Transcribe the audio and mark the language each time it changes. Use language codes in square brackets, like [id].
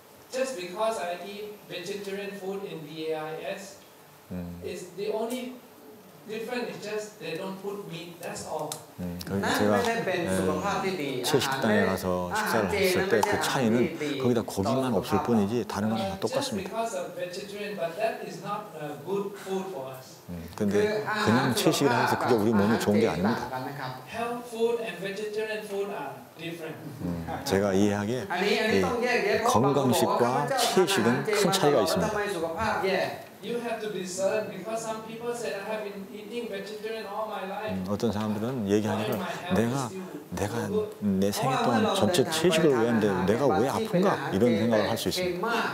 [en] Just because I eat vegetarian food in VAIS is the only different. It's just they don't put meat. That's all. [ko] 제가 채식당에 가서 식사를 했을 때 그 차이는 거기다 고기만 없을 뿐이지 다른 건 다 똑같습니다. [en] Just because of vegetarian, but that is not a good food for us. [ko] 근데 그냥 채식을 해서 그게 우리 몸에 좋은 게 아닙니다. [en] Health food and vegetarian food are different. [ko] 제가 이해하기에 건강식과 채식은 큰 차이가 있습니다. [en] You have to discern because some people say I have been eating vegetarian all my life. [ko] 어떤 사람들은 얘기하니까 내가 내 생애 동안 전체 채식을 왜 했는데 내가 왜 아픈가 이런 생각을 할 수 있습니다.